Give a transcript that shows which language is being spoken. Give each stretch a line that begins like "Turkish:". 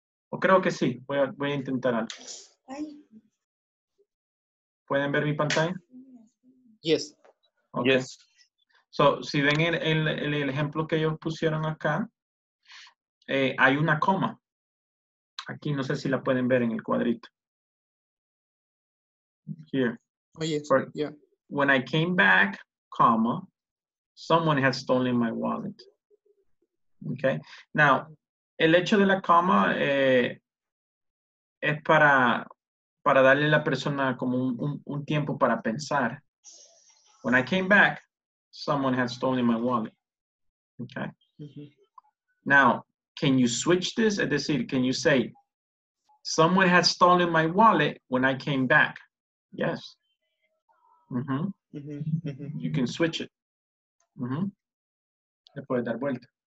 Spanish: O creo que sí. Voy a intentar algo. ¿Pueden ver mi pantalla?
English: Yes. Okay. Yes.
Spanish: So, si ven el ejemplo que ellos pusieron acá, hay una coma. Aquí no sé si la pueden ver en el cuadrito.
English: Here. Oh, yes. For, yeah. When I came back, comma, someone had stolen my wallet. Okay.
Spanish: Now, el hecho de la coma es para darle a la persona como un tiempo para pensar.
English: When I came back, someone had stolen my wallet. Okay. Mm-hmm. Now, can you switch this?
Spanish: Es decir,
English: can you say, someone had stolen my wallet when I came back? Yes. Mm-hmm. Mm-hmm. You can switch it. Mm-hmm.
Spanish: Le puede dar vuelta.